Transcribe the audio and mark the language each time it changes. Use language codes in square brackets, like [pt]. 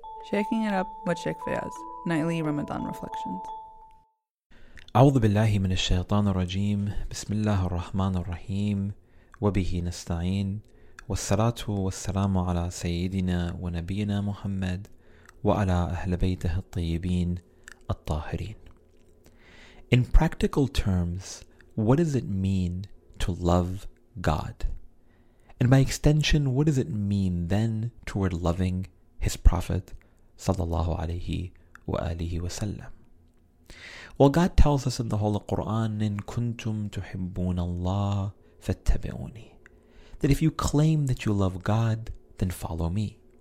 [en] Shaking it up with Sheikh Fayaz, nightly Ramadan reflections. [ar] أعوذ بالله من الشيطان الرجيم بسم الله الرحمن الرحيم وبه نستعين والصلاة والسلام على سيدنا ونبينا محمد وعلى أهل بيته الطيبين الطاهرين. [en] In practical terms, what does it mean to love God? And by extension, what does it mean then toward loving His Prophet [ar] صلى الله عليه وآله وسلم؟ [en] Well, God tells us in the Holy Quran, [ar] إن كنتم تحبون الله فاتبعوني, [en] that if you claim that you love God, then follow me.